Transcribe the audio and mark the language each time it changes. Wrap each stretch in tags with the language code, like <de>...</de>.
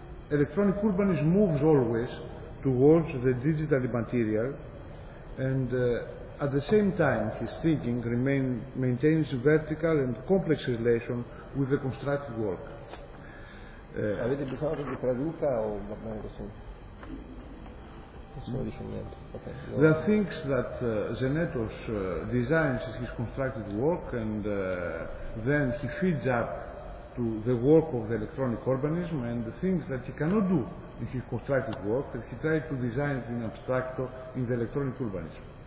<en>electronic urbanism moves always towards the digital material, and at the same time his thinking maintains vertical and complex relation with the constructed work.</en> <it>Avete bisogno che vi traduca o va bene così? Nessuno dice niente. Okay.</it> <en>There are things that Zenetos designs his constructed work, and then he feeds up to the work of the electronic urbanism, and the things that he cannot do in his constructed work, that he tried to design in abstracto in the electronic urbanism.</en>